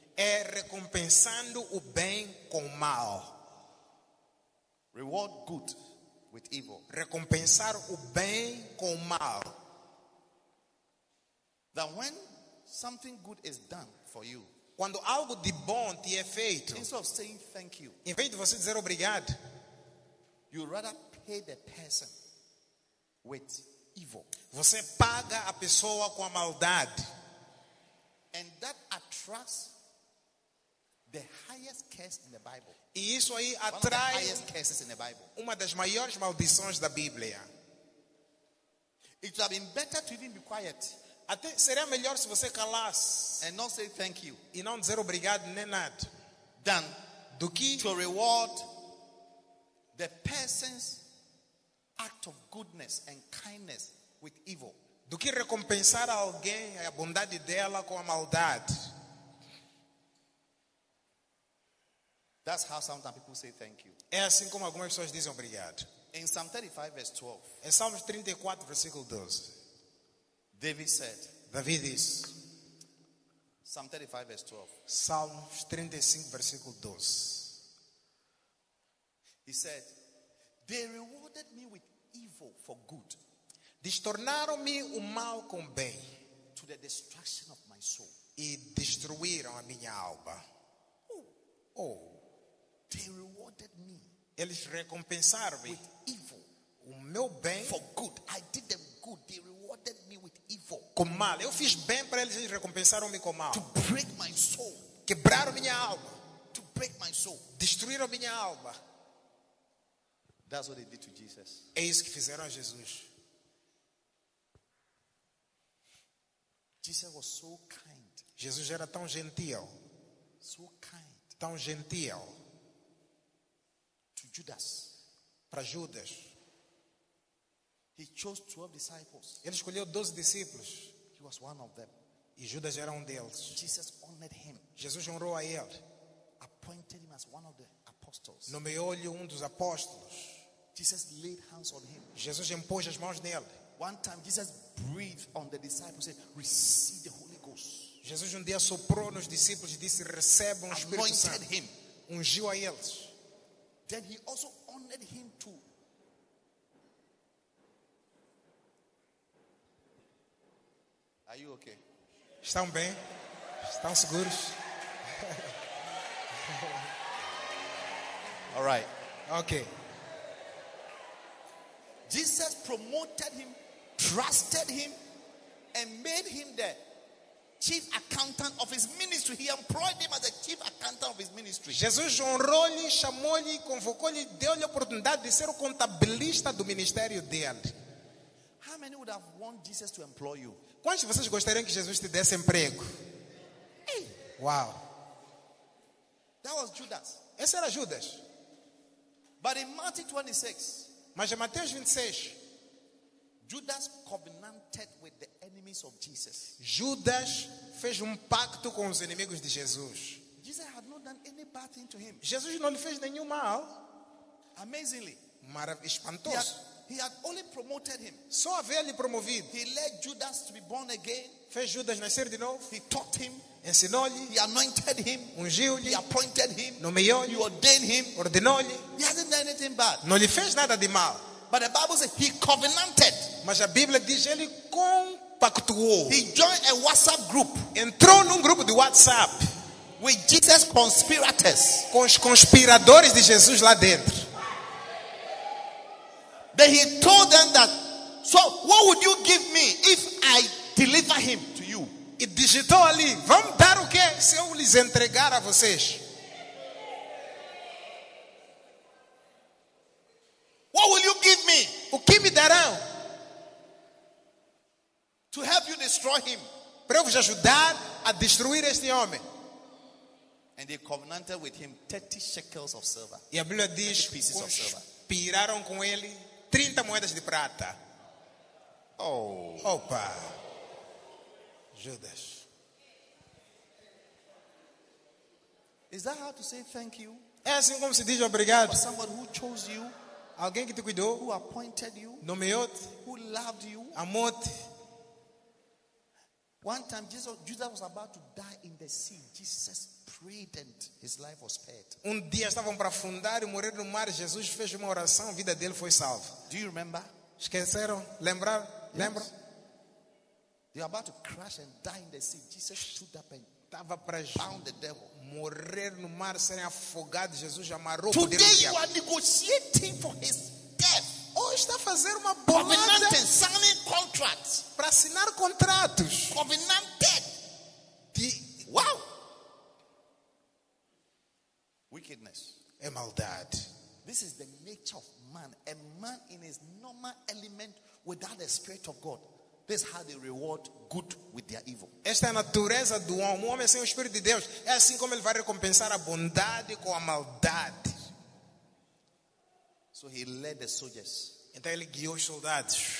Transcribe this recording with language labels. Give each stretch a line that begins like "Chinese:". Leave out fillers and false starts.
Portuguese: É recompensando o bem com o mal.
English: Reward good with evil.
Portuguese: Recompensar o bem com o mal.
English: That when something good is done for you.
Portuguese: Quando algo de bom te é feito,
English: instead of saying thank you,
Portuguese: em vez de você dizer obrigado,
English: you rather pay the person with evil.
Portuguese: Você paga a pessoa com a maldade.
English: And that attracts the highest curse in the Bible.
Portuguese: E isso aí atrai
English: the highest curses in the Bible.
Portuguese: Uma das maiores maldições da Bíblia.
English: It would have been better to even be quiet.
Portuguese: Até seria melhor se você calasse
English: and not say thank you,
Portuguese: e não dizer obrigado nem nada,
English: than
Portuguese: do que
English: to reward the person's act of goodness and kindness with evil.
Portuguese: Do que recompensar alguém a bondade dela com a maldade.
English: That's how sometimes people say thank you.
Portuguese: É assim como algumas pessoas dizem obrigado.
English: In Psalm 35 verse 12.
Portuguese: Em Salmos 34 versículo 12.
English: David said.
Portuguese: David diz.
English: Psalm 35 verse 12.
Portuguese: Salmos 35 versículo 12.
English: He said, they rewarded me with evil for good.
Portuguese: Destornaram-me o mal com bem.
English: To the destruction of my soul.
Portuguese: E destruíram a minha alma. Oh. Oh.
English: They rewarded me.
Portuguese: Eles recompensaram-me
English: with evil.
Portuguese: O meu bem
English: for good. I did them good. They rewarded me with evil.
Portuguese: Com mal. Eu fiz bem para eles e recompensaram-me com mal.
English: To break my soul.
Portuguese: Quebraram minha alma.
English: To break my soul.
Portuguese: Destruíram minha alma.
English: That's what they did to Jesus.
Portuguese: É isso que fizeram a Jesus.
English: Jesus was so kind.
Portuguese: Jesus era tão gentil.
English: So kind.
Portuguese: Tão gentil.
English: To Judas.
Portuguese: Para Judas.
English: He chose 12 disciples.
Portuguese: Ele escolheu 12 discípulos.
English: He was one of them.
Portuguese: E Judas era um deles.
English: Jesus honored him.
Portuguese: Jesus honrou a ele.
English: Appointed him as one of the apostles.
Portuguese: Nomeou-lhe um dos apóstolos.
English: Jesus laid hands on him.
Portuguese: Jesus impôs as mãos nele.
English: One time Jesus breathed on the disciples and said, "Receive the Holy Ghost."
Portuguese: Jesus um dia soprou nos discípulos e disse, "Recebam o Espírito
English: Anointed
Portuguese: Santo."
English: Him.
Portuguese: Ungiu a eles.
English: Then he also honored him too. Are you okay?
Portuguese: Estão bem? Estão seguros?
English: All right. Okay. Jesus promoted him, trusted him, and made him the chief accountant of his ministry. He employed him as a chief accountant of his ministry.
Portuguese: Jesus honrou-lhe, chamou-lhe, convocou-lhe, deu-lhe a oportunidade de ser o contabilista do ministério dele.
English: How many would have wanted Jesus to employ you?
Portuguese: Quantos de vocês gostariam que Jesus te desse emprego? Hey. Wow.
English: That was Judas.
Portuguese: Esse era Judas.
English: But in Matthew 26,
Portuguese: mas em Mateus 26,
English: Judas covenanted with the enemies of Jesus.
Portuguese: Judas fez pacto com os inimigos de Jesus.
English: Jesus had not done any bad thing to him.
Portuguese: Jesus não lhe fez nenhum mal.
English: Amazingly,
Portuguese: espantoso.
English: He had only promoted him.
Portuguese: Só havia-lhe promovido.
English: He led Judas to be born again.
Portuguese: Fez Judas nascer de novo.
English: He taught him.
Portuguese: Ensinou-lhe.
English: He anointed him.
Portuguese: Ungiu-lhe.
English: He appointed him.
Portuguese: Nomeou-lhe.
English: He ordained him.
Portuguese: Ordenou-lhe.
English: He hasn't done anything bad.
Portuguese: Não lhe fez nada de mal.
English: But the Bible says he covenanted.
Portuguese: Mas a Bíblia diz ele compactuou.
English: He joined a WhatsApp group.
Portuguese: Entrou num grupo de WhatsApp.
English: With Jesus conspirators.
Portuguese: Com os conspiradores de Jesus lá dentro.
English: Then he told them that, "So what would you give me if I deliver him to you?"
Portuguese: E digitou ali, "Vamos dar o quê se eu lhes entregar a vocês?"
English: "What will you give me?"
Portuguese: O que me darão?
English: "To help you destroy him."
Portuguese: Para eu vos ajudar a destruir este homem.
English: And they covenanted with him 30 shekels of silver.
Portuguese: E a Bíblia diz, conspiraram com ele 30 moedas de prata. Oh. Opa. Judas.
English: Is that how to say thank you?
Portuguese: É assim como se diz obrigado.
English: For someone who chose you.
Portuguese: Alguém que te cuidou.
English: Who appointed you.
Portuguese: Nomeou-te.
English: Who loved you.
Portuguese: Amou-te.
English: One time Judas was about to die in the sea. Jesus prayed and his life was spared.
Portuguese: Um dia estavam para afundar e morrer no mar. Jesus fez uma oração, a vida dele foi salva.
English: Do you remember?
Portuguese: Esqueceram? Lembrar?
English: Yes.
Portuguese: Lembram?
English: They were about to crash and die in the sea. Jesus stood up and
Portuguese: estava para
English: bound the devil.
Portuguese: Morrer no mar, serem afogados. Jesus amarrou.
English: Today you diabo. Are negotiating for his death.
Portuguese: Hoje está a fazer uma bolada.
English: Covenant, signing contracts.
Portuguese: Para assinar contratos.
English: Covenanted.
Portuguese: De... Wow.
English: Wickedness.
Portuguese: É maldade.
English: This is the nature of man. A man in his normal element without the spirit of God. This is how they reward good with their evil.
Portuguese: Esta é a natureza do homem. O homem sem o Espírito de Deus. É assim como ele vai recompensar a bondade com a maldade.
English: So he led the soldiers.
Portuguese: Então ele guiou os soldados.